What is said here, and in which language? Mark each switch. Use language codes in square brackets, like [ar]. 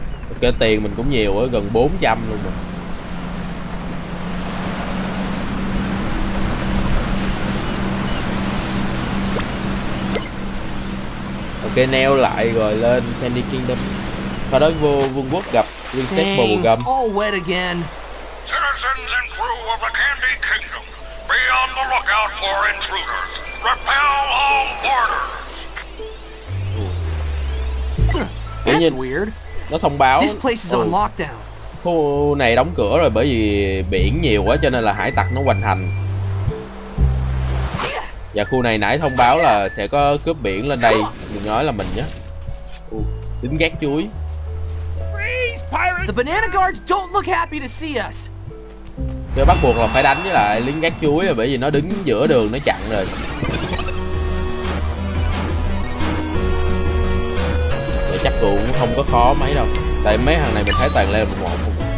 [vi] Ok, tiền mình cũng nhiều á, gần 400 luôn rồi. Ok, neo lại rồi lên Candy Kingdom. Sau đó vô vương quốc gặp Reset Bubble Gum. [en] All wet again. Citizens and crew of the Candy Kingdom, be on the lookout for intruders. Repel all borders. That's weird. [vi] Nó thông báo [en] this place is on lockdown. [vi] Khu này đóng cửa rồi bởi vì biển nhiều quá cho nên là hải tặc nó hoành hành. Và khu này nãy thông báo là sẽ có cướp biển lên đây. Đừng nói là mình nhé. Tính gác chuối. [en] Freeze, pirates! The banana guards don't look happy to see us. [vi] Thì bắt buộc là phải đánh với lại lính gác chuối rồi, bởi vì nó đứng giữa đường nó chặn rồi. Rồi chắc cũng không có khó mấy đâu. Tại mấy thằng này mình thấy toàn level 1 không.